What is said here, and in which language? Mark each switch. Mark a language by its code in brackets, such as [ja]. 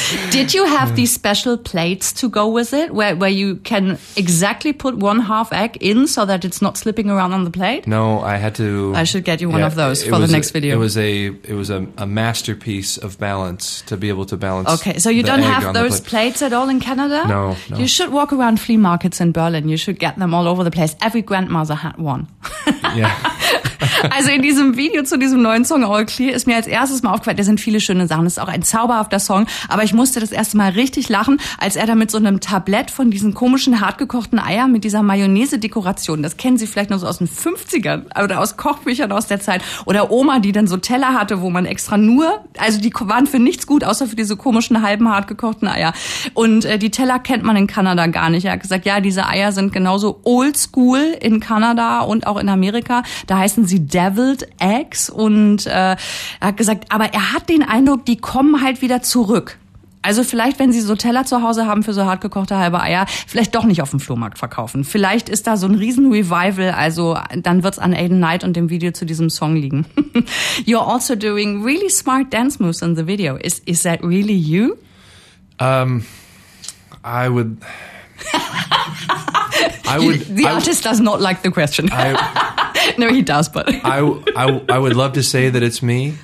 [en] Did you have these special plates to go with it, where you can exactly put one half egg in so that it's not slipping around on the plate? No, I had to... I should get you one of those for the next video. It was a masterpiece of balance to be able to balance. Okay, so you don't have those plates at all in Canada? No. You should walk around flea markets in Berlin. You should get them all over the place. Every grandmother had one. Yeah. [de] Also in diesem Video zu diesem neuen Song All Clear ist mir als erstes mal aufgefallen, da sind viele schöne Sachen, es ist auch ein zauberhafter Song, aber ich musste das erste Mal richtig lachen, als er da mit so einem Tablett von diesen komischen hartgekochten Eiern mit dieser Mayonnaise-Dekoration, das kennen Sie vielleicht noch so aus den 50ern oder aus Kochbüchern aus der Zeit, oder Oma, die dann so Teller hatte, wo man extra nur, also die waren für nichts gut, außer für diese komischen halben hartgekochten Eier. Und die Teller kennt man in Kanada gar nicht. Er hat gesagt, ja, diese Eier sind genauso oldschool in Kanada und auch in Amerika, da heißen sie Deviled Eggs und er hat gesagt, aber er hat den Eindruck, die kommen halt wieder zurück. Also vielleicht, wenn Sie so Teller zu Hause haben für so hart gekochte halbe Eier, vielleicht doch nicht auf dem Flohmarkt verkaufen. Vielleicht ist da so ein Riesen-Revival, also dann wird's an Aiden Knight und dem Video zu diesem Song liegen. [en] You're also doing really smart dance moves in the video. Is that really you? The artist does not like the question. No, he does, but... I would love to say that it's me.